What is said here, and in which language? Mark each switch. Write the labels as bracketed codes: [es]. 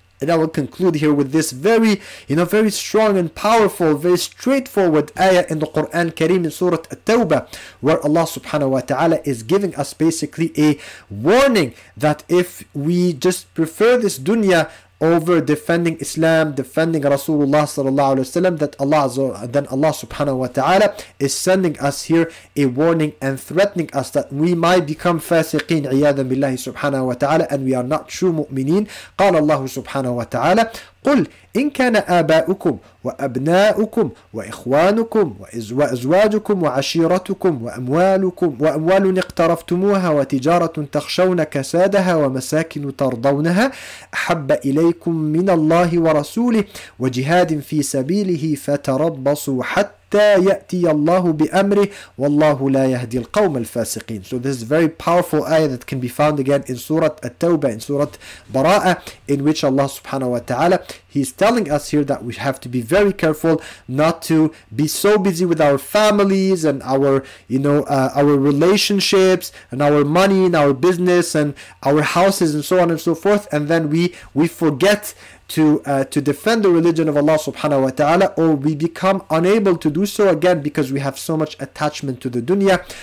[en] And I will conclude here with this very, very strong and powerful, very straightforward ayah in the Quran Kareem in Surah At-Tawbah, where Allah subhanahu wa ta'ala is giving us basically a warning that if we just prefer this dunya over defending Islam, defending Rasulullah sallallahu alaihi wasallam, then Allah subhanahu wa ta'ala is sending us here a warning and threatening us that we might become fasiqeen, iyadan billahi subhanahu wa ta'ala, and we are not true mu'mineen. [ar] Qala Allah subhanahu wa ta'ala, قل إن كان آباؤكم وأبناؤكم وإخوانكم وأزواجكم وعشيرتكم وأموال اقترفتموها وتجارة تخشون كسادها ومساكن ترضونها أحب إليكم من الله ورسوله وجهاد في سبيله فتربصوا حتى وَاللَّهُ لَا يَهْدِي الْقَوْمَ الْفَاسِقِينَ. [en] So this is a very powerful ayah that can be found again in Surah At-Tawbah, in Surah Bara'ah, in which Allah subhanahu wa ta'ala, he's telling us here that we have to be very careful not to be so busy with our families and our relationships and our money and our business and our houses and so on and so forth, and then we forget to defend the religion of Allah subhanahu wa ta'ala, or we become unable to do so again because we have so much attachment to the dunya.